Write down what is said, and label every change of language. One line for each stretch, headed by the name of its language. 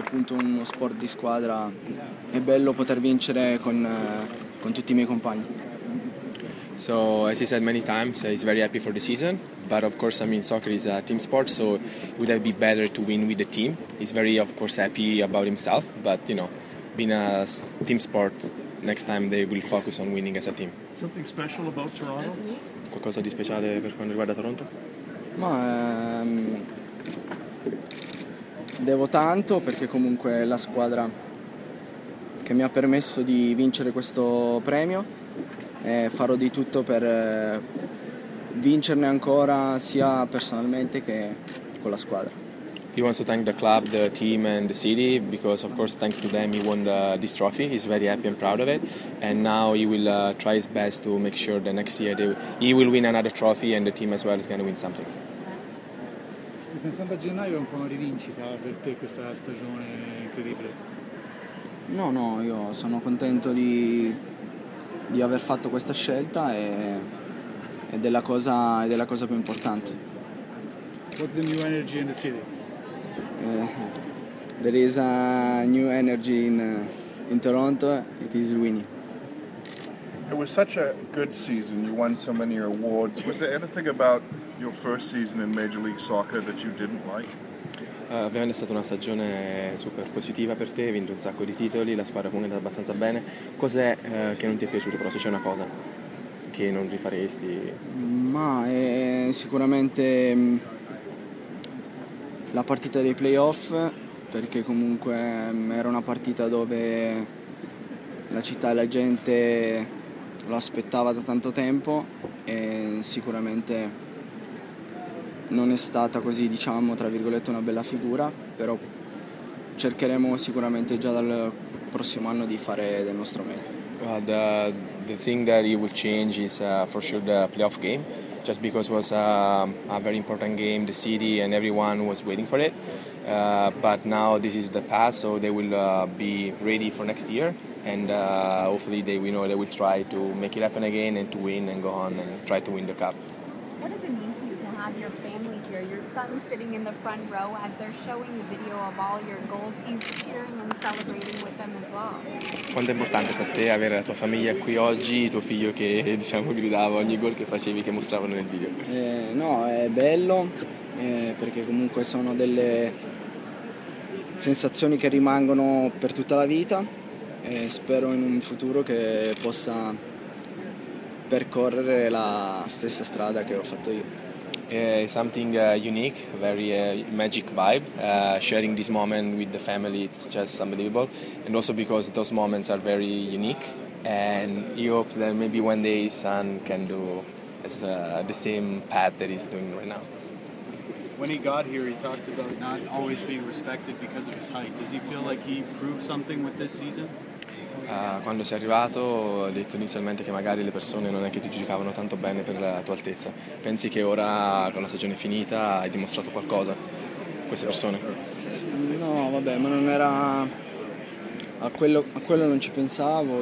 Italian: Uno sport di squadra, è bello poter vincere con tutti I miei compagni.
English: So as he said many times, he's very happy for the season, but of course, I mean, soccer is a team sport, so it would be better to win with the team. He's very of course happy about himself, but you know, being a team sport, next time they will focus on winning as a team. Something special about Toronto?
Italian: Qualcosa di speciale per quanto riguarda Toronto? Ma devo tanto, perché comunque è la squadra che mi ha permesso di vincere questo premio, e farò di tutto per vincerne ancora sia personalmente che con la squadra. He wants to thank the club, the team and the city, because of course thanks to them he won this trophy. He's very happy and proud of it, and now he will try his best to make sure the next year he will win another trophy and the team as well is going to win something. Pensando a gennaio, è un po' una rivincita per te questa stagione incredibile? No, io sono contento di aver fatto questa scelta e della cosa più importante.
English: What's the new energy in the city? There is a new energy in Toronto. It is winning. It was such a good season. You won so many awards. Was there anything about your first season in Major League Soccer that you didn't like?
Italian: Ovviamente è stata una stagione super positiva per te, hai vinto un sacco di titoli, la squadra comunque è andata abbastanza bene. Cos'è che non ti è piaciuto, però, se c'è una cosa che non rifaresti? Ma è sicuramente la partita dei playoff, perché comunque era una partita dove la città e la gente lo aspettava da tanto tempo e sicuramente non è stata così, diciamo, tra virgolette, una bella figura, però cercheremo sicuramente già dal prossimo anno di fare del nostro meglio.
English: The thing that you will change is for sure the playoff game, just because it was a very important game, the city and everyone was waiting for it. But now this is the past, so they will be ready for next year, and hopefully they will try to make it happen again and to win and go on and try to win the cup. What does it mean to you to have your family here, your son sitting in the front row as they're showing the video of all your goals? He's cheering and celebrating with them as well.
Italian: Quanto è importante per te avere la tua famiglia qui oggi, tuo figlio che, diciamo, gridava ogni gol che facevi, che mostravano nel video? No, è bello, perché comunque sono delle sensazioni che rimangono per tutta la vita e spero in un futuro che possa percorrere la stessa strada che ho fatto io.
English: Something unique, very magic vibe, sharing this moment with the family, it's just unbelievable, and also because those moments are very unique, and you hope that maybe one day his son can do the same path that he's doing right now. When he got here, he talked about not always being respected because of his height. Does he feel like he proved something with this season?
Italian: Quando sei arrivato ho detto inizialmente che magari le persone non è che ti giudicavano tanto bene per la tua altezza. Pensi che ora, con la stagione finita, hai dimostrato qualcosa a queste persone? No, vabbè, ma non era... A quello non ci pensavo.